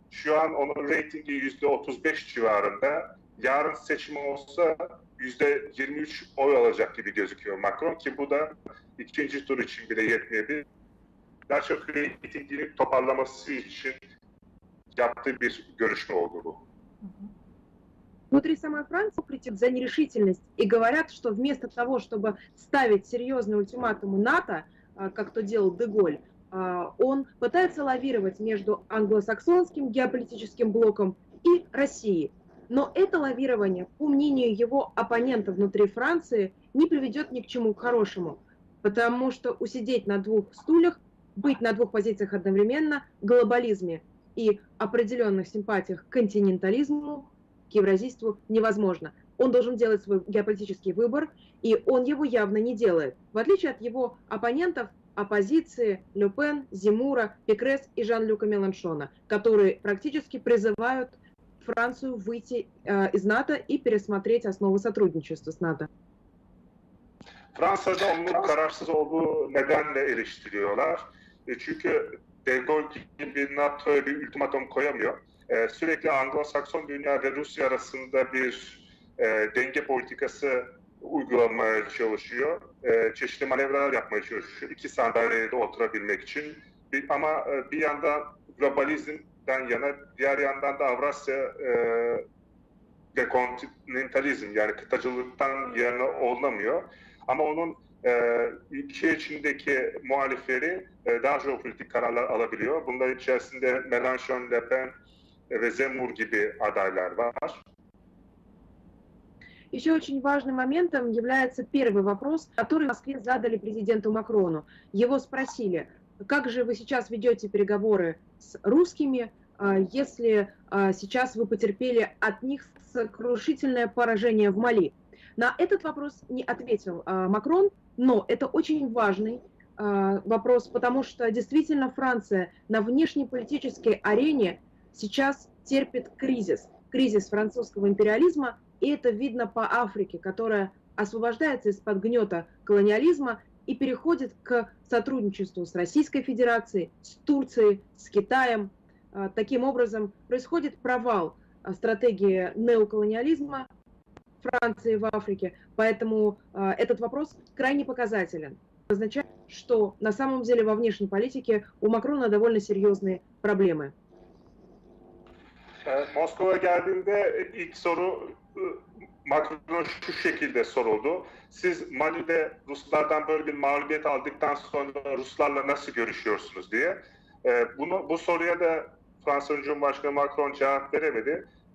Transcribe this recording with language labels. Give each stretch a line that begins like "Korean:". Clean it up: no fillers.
Turkish: Şu an onun reytingi %35 civarında. Yarın seçim olsa %23 oy alacak gibi gözüküyor Macron ki bu da ikinci tur için bile yetmeyebilir. Daha çok reytingini toparlaması için yaptığı bir görüşme oldu bu.
Russian: Внутри самой Франции критикуют за нерешительность и говорят, что вместо того, чтобы ставить серьезный ультиматум НАТО, как то делал Де Голь, он пытается лавировать между англосаксонским геополитическим блоком и Россией. Но это лавирование, по мнению его оппонента внутри Франции, не приведет ни к чему хорошему, потому что усидеть на двух стульях, быть на двух позициях одновременно в глобализме и определенных симпатиях к континентализму, к евразийству невозможно. Он должен делать свой геополитический выбор, и он его явно не делает. В отличие от его оппонентов, оппозиции Лю Пен, Зимура, Пикрес и Жан-Люка Меланшона, которые практически призывают Францию выйти из НАТО и пересмотреть основы сотрудничества с НАТО. Франция должна
Turkish: карарсыз олду неденле эриштириолар. Чүнкү De Gaulle gibi NATO'ya bir ultimatum koyamıyor. Sürekli Anglo-Sakson dünya ve Rusya arasında bir denge politikası uygulamaya çalışıyor. Çeşitli manevralar yapmaya çalışıyor. İki sandalyeye de oturabilmek için. Ama bir yandan globalizmden yana, diğer yandan da Avrasya ve kontinentalizm, yani kıtacılıktan yana olunamıyor. Ama onun ülke içindeki muhalifleri daha jeopolitik kararlar alabiliyor. Bunların içerisinde Mélenchon, Le Pen ve Zemmour gibi adaylar var.
Russian: Еще очень важным моментом является первый вопрос, который в Москве задали президенту Макрону. Его спросили, как же вы сейчас ведете переговоры с русскими, если сейчас вы потерпели от них сокрушительное поражение в Мали? На этот вопрос не ответил Макрон, но это очень важный вопрос, потому что действительно Франция на внешнеполитической арене сейчас терпит кризис, кризис французского империализма, и это видно по Африке, которая освобождается из-под гнета колониализма и переходит к сотрудничеству с Российской Федерацией, с Турцией, с Китаем. Таким образом, происходит провал стратегии неоколониализма Франции в Африке, поэтому этот вопрос крайне показателен. Означает, что на самом деле во внешней политике у Макрона довольно серьезные проблемы.
Turkish: Moskova geldiğinde ilk soru Macron'a şu şekilde soruldu. Siz Mali'de Ruslardan böyle bir mağlubiyet aldıktan sonra Ruslarla nasıl görüşüyorsunuz diye. Bu soruya da Fransa Cumhurbaşkanı Macron cevap veremedi.